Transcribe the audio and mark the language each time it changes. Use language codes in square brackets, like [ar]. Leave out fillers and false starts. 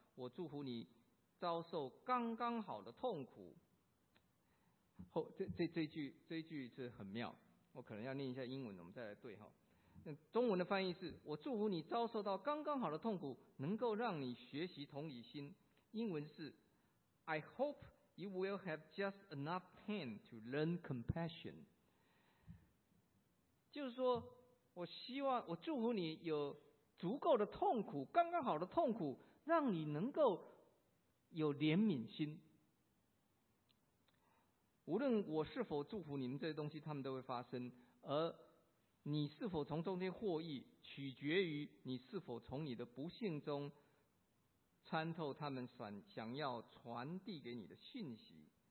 [zh] 我祝福你遭受刚刚好的痛苦。这句是很妙，我可能要念一下英文，我们再来对哈。中文的翻译是，我祝福你遭受到刚刚好的痛苦，能够让你学习同理心。英文是 [en] I hope you will have just enough pain to learn compassion。 [zh] 就是说，我希望我祝福你有足够的痛苦，刚刚好的痛苦，让你能够有怜悯心。无论我是否祝福你们这些东西，他们都会发生，而你是否从中间获益，取决于你是否从你的不幸中参透他们想要传递给你的信息。